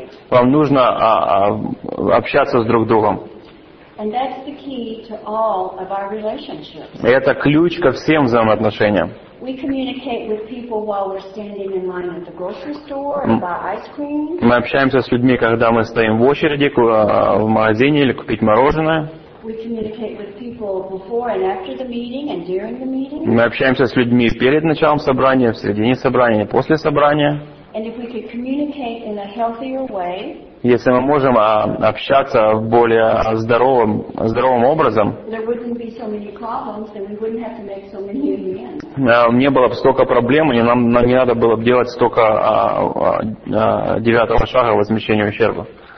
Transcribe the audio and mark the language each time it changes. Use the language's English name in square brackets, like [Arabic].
[Russian] Вам нужно общаться с друг другом. Это ключ ко всем взаимоотношениям. [English] We communicate with people while we're standing in line at the grocery store or buy ice cream. [Russian] Мы общаемся с людьми, когда мы стоим в очереди в магазине или купить мороженое. [English] We communicate with people before and after the meeting and during the meeting. [Russian] Мы общаемся с людьми перед началом собрания, в середине собрания, после собрания. [English] And if we could communicate in a healthier way. [Russian] Если мы можем общаться в более здоровым образом, не было бы столько проблем, и нам не надо было бы делать столько девятого шага возмещения ущерба.